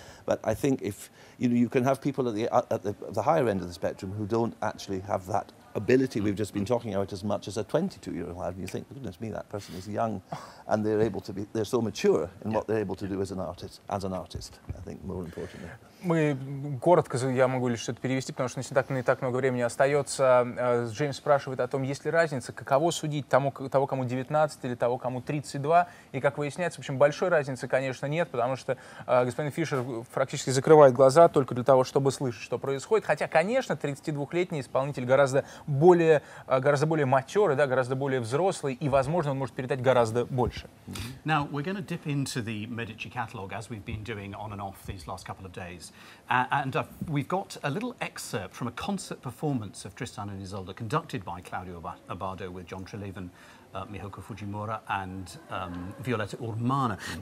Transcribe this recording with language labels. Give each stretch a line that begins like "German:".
English: But I think if you know, you can have people at the higher end of the spectrum who don't actually have that ability we've just been talking about as much as a 22-year-old lad, and you think, goodness me, that person is young, and they're able to be—they're so mature in yeah. what they're able to yeah. do as an artist. I think more importantly.
Russian: Мы коротко, я могу лишь что-то перевести, потому что не так много времени остается. Джеймс спрашивает о том, есть ли разница, каково судить того, кому 19 или того, кому 32, и как выясняется, в общем, большой разницы, конечно, нет, потому что господин Фишер практически закрывает глаза только для того, чтобы слышать, что происходит. Хотя, конечно, 32-летний исполнитель гораздо более матерый, да, гораздо более взрослый, и, возможно, он может передать гораздо больше.
English: Now, we're going to dip into the Medici catalog, as we've been doing on and off these last couple of days. And we've got a little excerpt from a concert performance of Tristan and Isolde conducted by Claudio Abbado with John Treleaven, Mihoko Fujimura and Violetta Urmana. Mm-hmm.